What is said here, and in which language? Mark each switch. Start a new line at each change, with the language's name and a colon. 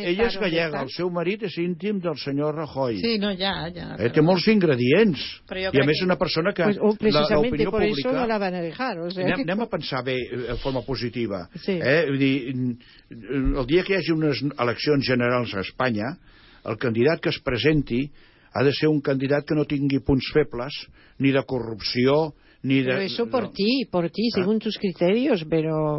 Catalan: ella és gallega, el seu marit és íntim del senyor Rajoy. Sí, no, ja. Té molts ingredients. I a més una persona que...
Spanish: Pues, precisamente por eso no la van a dejar. O sea,
Catalan: anem a pensar bé, en forma positiva. Sí. Vull dir, el dia que hi hagi unes eleccions generals a Espanya, el candidat que es presenti ha de ser un candidat que no tingui punts febles, ni de corrupció, ni de... Però això per ti, segons tus criteris, però...